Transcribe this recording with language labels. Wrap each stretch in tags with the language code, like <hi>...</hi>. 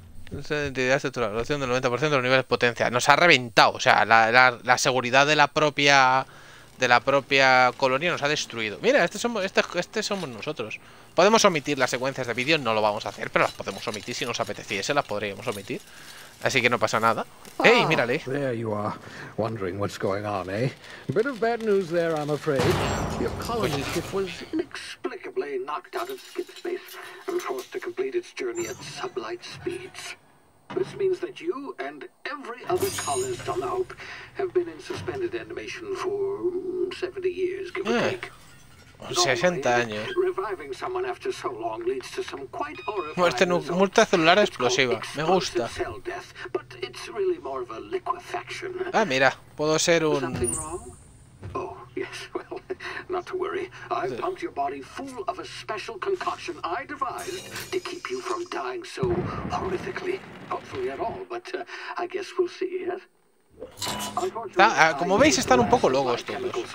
<es>Entidad estructural, reducción del 90% de los niveles de potencia. Nos ha reventado. O sea, la seguridad de la propia. De la propia colonia nos ha destruido. Mira, este somos nosotros. Podemos omitir las secuencias de vídeo, no lo vamos a hacer, pero las podemos omitir si nos apeteciese, las podríamos omitir. Así que no pasa nada. ¡Ey, mírale!</es> <en>There you are, wondering what's going on, eh? Bit of bad news there, I'm afraid. Your colony ship was inexplicably knocked out of skip space and forced to complete its journey at sublight speeds. This means that you and every other colonist on the Hope have been in suspended animation for 70 years, give or take.</en> <es>60 años.</es> <en>Reviving someone after so long leads to some quite horrifying results.</en> <es>Muerte multicelular explosiva. Me gusta.</es> <en>But it's really more of a liquefaction.</en> <es>Ah, mira, puedo ser un.</es> <en>Something wrong? Oh, yes. Well, not to worry. I've pumped your body full of a special concoction I devised to keep you from dying so horrifically. Hopefully at all, but I guess we'll see. Yeah?</en> <es>Está, como veis, están un poco locos todos.</es>